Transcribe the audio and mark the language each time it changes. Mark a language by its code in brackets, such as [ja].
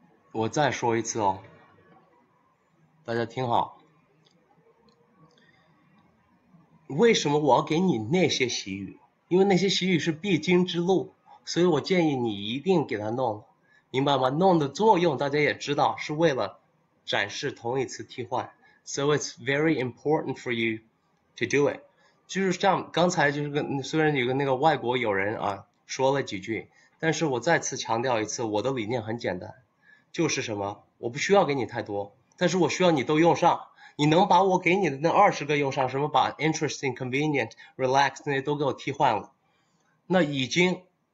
[zh] 我再说一次哦，大家听好。为什么我要给你那些习语？因为那些习语是必经之路，所以我建议你一定给它弄，明白吗？弄的作用大家也知道，是为了展示同义词替换。 [en] So it's very important for you to do it。 [zh] 就是像刚才就是跟虽然有个那个外国友人啊说了几句，但是我再次强调一次，我的理念很简单。就是什么，我不需要给你太多，但是我需要你都用上。你能把我给你的那20个用上，什么把 interesting、convenient、relax 那些都给我替换了，那已经